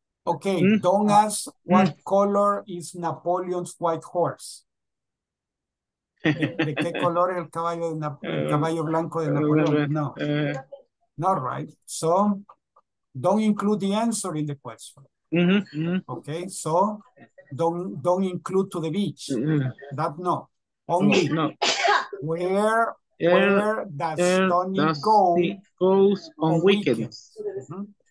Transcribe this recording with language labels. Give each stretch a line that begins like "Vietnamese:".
English: Okay, don't ask what color is Napoleon's white horse.
Spanish: ¿De qué color es el caballo, de caballo blanco de Napoleón?
English: No. Not right. So, don't include the answer in the question. Okay, so, don't include to the beach. That, no. Only, no. Where does Tony go on weekends? Mm-hmm.